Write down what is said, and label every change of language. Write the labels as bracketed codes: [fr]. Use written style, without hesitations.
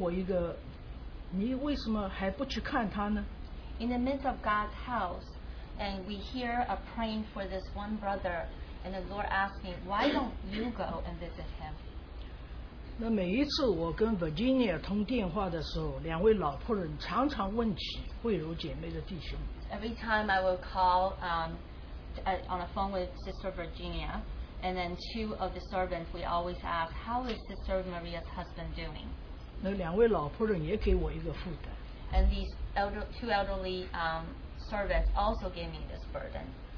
[zh] 在神的家中为这样一个弟兄如此频繁的祷告，主给我一个，你为什么还不去看他呢？ [en] In the midst of God's house, and we hear a praying for this one brother, and the Lord asking, why don't you go and visit him? [zh] 那每一次我跟Virginia通电话的时候，两位老婆人常常问起慧茹姐妹的弟兄。 [en] Every time I would call on a phone with Sister Virginia, and then two of the servants, we always ask, how is Sister Maria's husband doing? [zh] 那两位老婆人也给我一个负担。 [en] And these two elderly servants also gave me this burden.